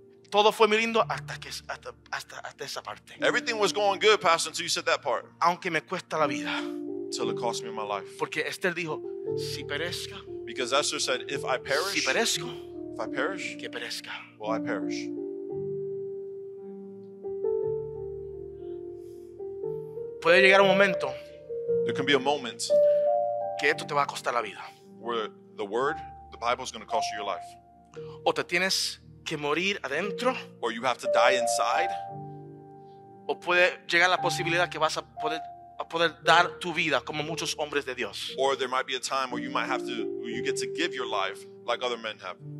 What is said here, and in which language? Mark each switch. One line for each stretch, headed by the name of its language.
Spanish: Todo fue muy lindo hasta que hasta esa parte.
English: Everything was going good, Pastor, until you said that part.
Spanish: Aunque me cuesta la vida.
English: Till it cost me my life.
Spanish: Porque Esther dijo, si perezca.
English: Because Esther said, if I perish.
Spanish: Si perezco.
English: If I perish.
Spanish: Que perezca.
English: Well, I perish.
Spanish: Puede llegar un momento.
English: There can be a moment.
Spanish: Que esto te va a costar la vida.
English: Where the word. The Bible is going to cost you your life.
Spanish: O te tienes que morir adentro.
English: Or you have to die inside.
Spanish: O puede llegar la posibilidad que vas a poder dar tu vida como muchos hombres de Dios.
English: Or there might be a time where you might have to, where you get to give your life like other men have.